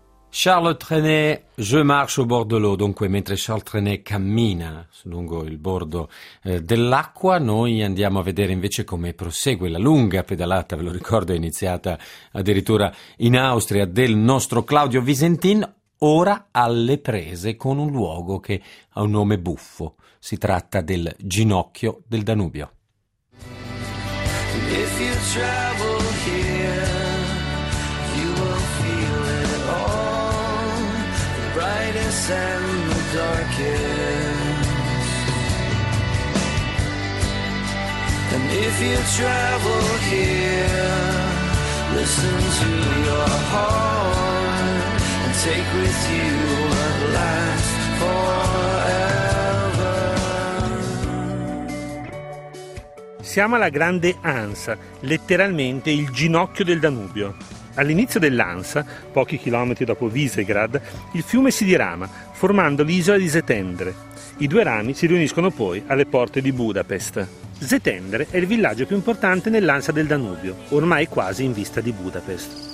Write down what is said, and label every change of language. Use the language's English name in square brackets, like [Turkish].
[French] Charles Trenet, Je marche au bord de l'eau. [Italian] Dunque, mentre Charles Trenet cammina lungo il bordo dell'acqua, noi andiamo a vedere invece come prosegue la lunga pedalata, ve lo ricordo, è iniziata addirittura in Austria, del nostro Claudio Visentin, ora alle prese con un luogo che ha un nome buffo. Si tratta del Ginocchio del Danubio. [English] If you travel here, brightest and the darkest. And if you travel here, listen to your heart and take with you what lasts forever. [Italian] Siamo alla Grande Ansa, letteralmente il ginocchio del Danubio. All'inizio dell'Ansa, pochi chilometri dopo Visegrad, il fiume si dirama, formando l'isola di Zetendre. I due rami si riuniscono poi alle porte di Budapest. Zetendre è il villaggio più importante nell'Ansa del Danubio, ormai quasi in vista di Budapest.